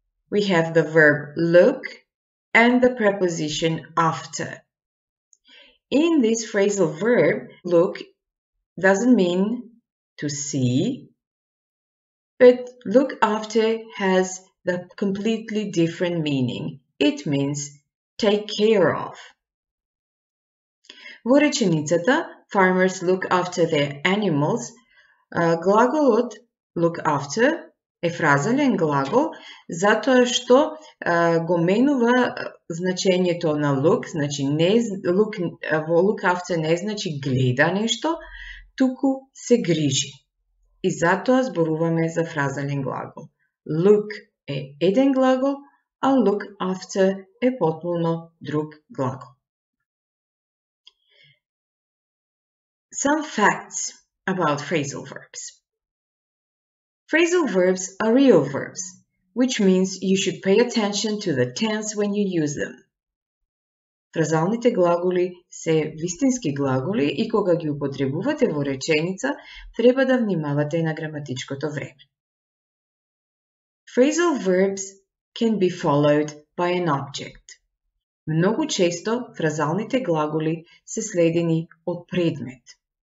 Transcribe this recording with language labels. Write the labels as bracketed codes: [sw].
[en] We have the verb look and the preposition after. In this phrasal verb, look doesn't mean to see, but look after has the completely different meaning. It means take care of. [mk] Во реченицата, [en] farmers look after their animals, [mk] глаголот look after е фразален глагол, затоа што го менува значењето на look, значи не, look, во look after не значи гледа нешто, туку се грижи. И затоа зборуваме за фразален глагол. Look е еден глагол, а look after е потполно друг глагол. [en] Some facts about phrasal verbs. Phrasal verbs are real verbs, which means you should pay attention to the tense when you use them. [mk] Фразалните глаголи се вистински глаголи и кога ги употребувате во реченица, треба да внимавате на граматичкото време. [en] Phrasal verbs can be followed by an object. [mk] Многу често фразалните глаголи се следени од предмет.